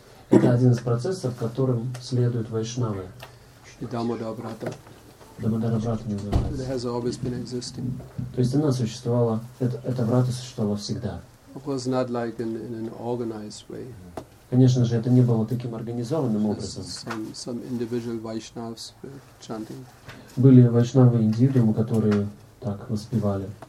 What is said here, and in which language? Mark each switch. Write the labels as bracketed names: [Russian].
[Russian] Это один из процессов, которым следуют вайшнавы. Дамодара-брата. Дамодара-брата называется. [English] It has always been existing. [Russian] То есть она существовала, это брата существовала всегда. [English] It was not like in an organized way. [Russian] Конечно же, это не было таким организованным образом. [English] Some individual Vaishnavas chanting. [Russian] Были вайшнавы индивидуумы, которые так воспевали.